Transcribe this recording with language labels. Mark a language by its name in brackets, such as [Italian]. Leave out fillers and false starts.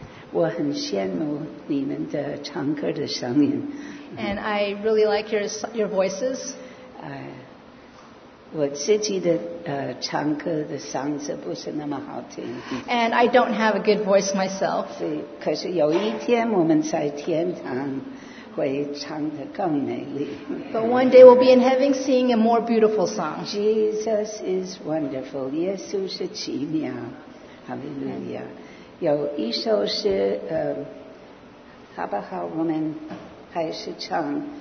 [Chinese] 我很羡慕你们的唱歌的声音。 [English] And I really like your voices. [Chinese] 我自己的唱歌的嗓子不是那么好听。 [English] And I don't have a good voice myself. [Chinese] 可是有一天我们在天堂会唱得更美丽。 [English] But one day we'll be in heaven singing a more beautiful song. Jesus is wonderful. [Chinese] 耶稣是奇妙。 [English] Hallelujah. [Chinese] 有一首是好不好我们还是唱。